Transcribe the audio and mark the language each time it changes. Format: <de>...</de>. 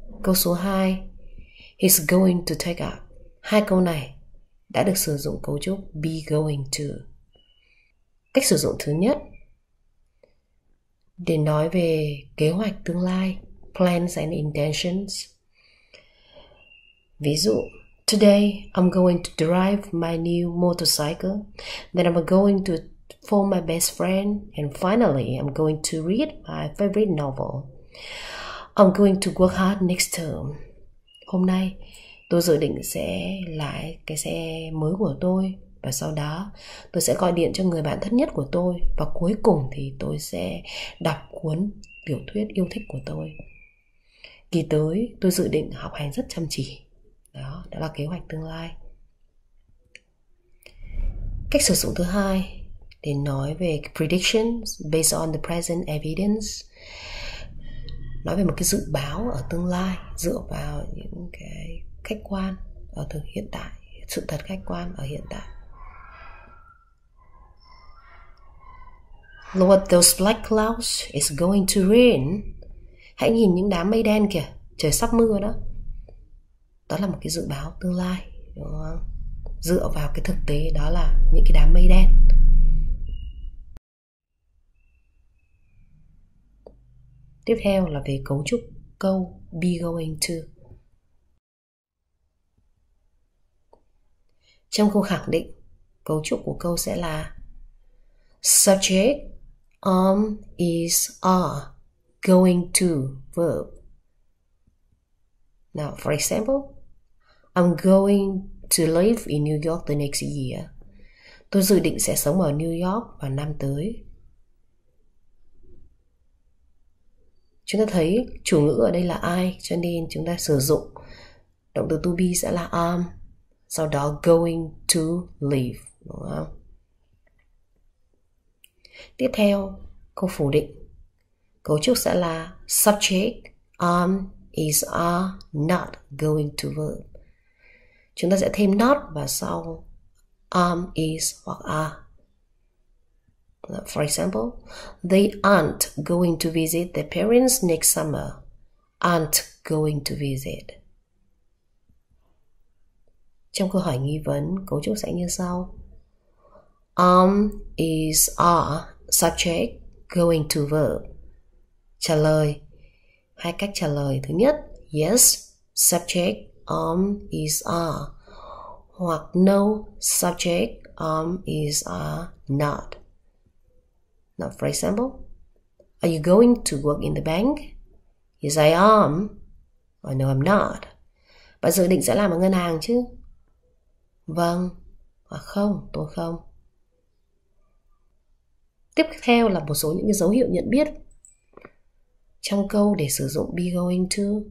<vi>Câu số 2,</vi> <en>he's going to take up.</en> <vi>Hai câu này đã được sử dụng cấu trúc be going to. Cách sử dụng thứ nhất, để nói về kế hoạch tương lai,</vi> <en>plans and intentions.</en> <vi>Ví dụ,</vi> <en>today I'm going to drive my new motorcycle, then I'm going to phone my best friend, and finally I'm going to read my favorite novel. I'm going to work hard next term.</en> <vi>Hôm nay tôi dự định sẽ lái cái xe mới của tôi, và sau đó tôi sẽ gọi điện cho người bạn thân nhất của tôi, và cuối cùng thì tôi sẽ đọc cuốn tiểu thuyết yêu thích của tôi. Kỳ tới tôi dự định học hành rất chăm chỉ. Đó là kế hoạch tương lai. Cách sử dụng thứ hai, để nói về</vi> <en>predictions based on the present evidence.</en> <vi>Nói về một cái dự báo ở tương lai dựa vào những cái khách quan ở thực hiện tại, sự thật khách quan ở hiện tại.</vi> <en>Look at those black clouds, it's going to rain.</en> <vi>Hãy nhìn những đám mây đen kìa, trời sắp mưa đó. Đó là một cái dự báo tương lai, đúng không? Dựa vào cái thực tế đó là những cái đám mây đen. Tiếp theo là về cấu trúc câu be going to. Trong câu khẳng định, cấu trúc của câu sẽ là subject, am, is, are, going to, verb.</vi> <en>Now, for example, I'm going to live in New York the next year.</en> <vi>Tôi dự định sẽ sống ở New York vào năm tới. Chúng ta thấy chủ ngữ ở đây là I, cho nên chúng ta sử dụng động từ to be sẽ là am, sau đó going to live, đúng không? Tiếp theo, câu phủ định. Cấu trúc sẽ là subject, am, is, are, not going to verb. Chúng ta sẽ thêm not vào sau am, is hoặc are.</vi> <en>For example, they aren't going to visit their parents next summer. Aren't going to visit.</en> <vi>Trong câu hỏi nghi vấn, cấu trúc sẽ như sau. Am, is, are, subject, going to verb. Trả lời. Hai cách trả lời. Thứ nhất, yes, subject, am, is, are. Hoặc no, subject, am, is, are, not.</vi> <en>Now, for example, are you going to work in the bank? Yes, I am. Or no, I'm not.</en> <vi>Bạn dự định sẽ làm ở ngân hàng chứ? Vâng. Hoặc không, tôi không. Tiếp theo là một số những cái dấu hiệu nhận biết trong câu để sử dụng be going to.</vi>